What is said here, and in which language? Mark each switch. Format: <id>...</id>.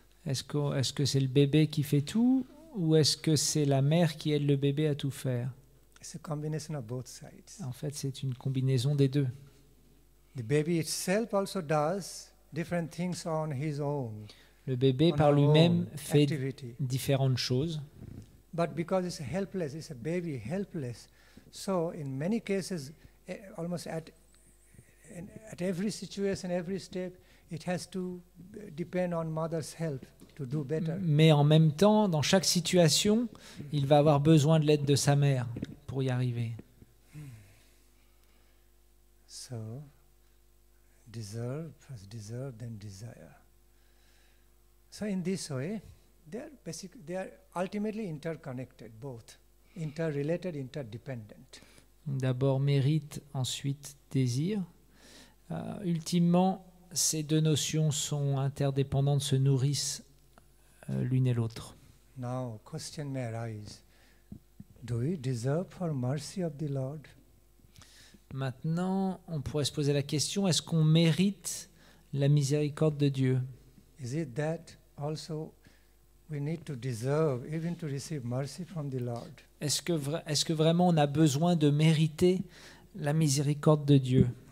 <fr>Est-ce que c'est le bébé qui fait tout, ou est-ce que c'est la mère qui aide le bébé à tout faire?</fr> <en>It's a combination of both sides.</en> <fr>En fait, c'est une combinaison des deux.</fr> <en>The baby itself also does different things on his own.</en> <fr>Le bébé par lui-même fait différentes choses.</fr> <en>But because it's helpless, it's a baby helpless. So in many cases, almost at every situation, every step, it has to depend on mother's help to do better.</en> <fr>Mais en même temps, dans chaque situation, il va avoir besoin de l'aide de sa mère pour y arriver.</fr> <en>So, deserve, first deserve, then desire. So in this way, they are ultimately interconnected, both interrelated, interdependent.</en> <fr>D'abord mérite, ensuite désir. Ultimement, ces deux notions sont interdépendantes, se nourrissent l'une et l'autre.</fr> <en>Now, question may arise. Do we deserve for mercy of the Lord?</en> <fr>Maintenant, on pourrait se poser la question, est-ce qu'on mérite la miséricorde de Dieu?</fr> <en>Is it that also we need to deserve, even to receive mercy from the Lord?</en> <fr>Est-ce que vraiment on a besoin de mériter la miséricorde de Dieu?</fr>